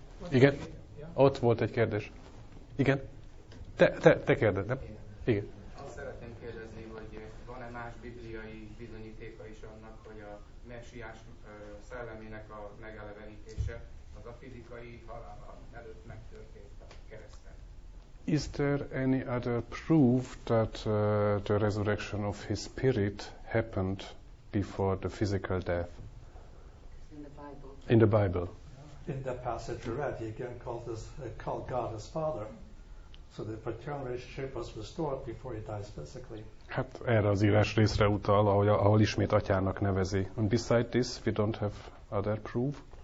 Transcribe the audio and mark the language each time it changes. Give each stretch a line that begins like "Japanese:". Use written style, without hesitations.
Hungarian: Igen? Ott volt egy kérdés. Igen? Te kérdezd, nem? Igen. Azt szeretném kérdezni, hogy van-e más bibliai bizonyítéka is annak, hogy a Mesiás szellemének a megelevenítése az a fizikai halála előtt megtörtént a kereszten.
English: Is there any other proof that the resurrection of his spirit happened before the physical death? In the Bible. In the passage read, he again called God his father. So the paternal relationship was restored before he dies physically.
Hungarian: Hát erre az írás részre utal, ahol ismét atyának nevezi.
English: And beside this, we don't have other proof.